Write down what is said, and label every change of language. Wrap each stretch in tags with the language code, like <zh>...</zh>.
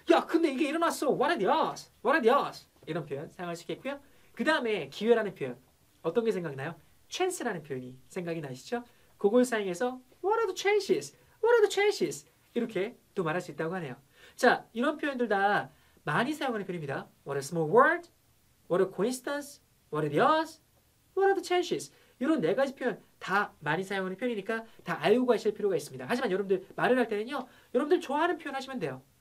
<ko>야, 근데 이게 일어났어.</ko> <en>What are the odds. What are the odds.</en> <ko>이런 표현 사용할 수 있겠고요. 그 다음에 기회라는 표현. 어떤 게 생각나요? chance라는 표현이 생각이 나시죠? 그걸 사용해서</ko> <en>What are the chances?</en> <ko>What are the chances? 이렇게 또 말할 수 있다고 하네요. 자, 이런 표현들 다 많이 사용하는 표현입니다.</ko> <en>What a small world? What a coincidence? What are the odds? What are the chances?</en> <ko>이런 네 가지 표현 다 많이 사용하는 표현이니까 다 알고 가실 필요가 있습니다. 하지만 여러분들 말을 할 때는요, 여러분들 좋아하는 표현 하시면 돼요.</ko>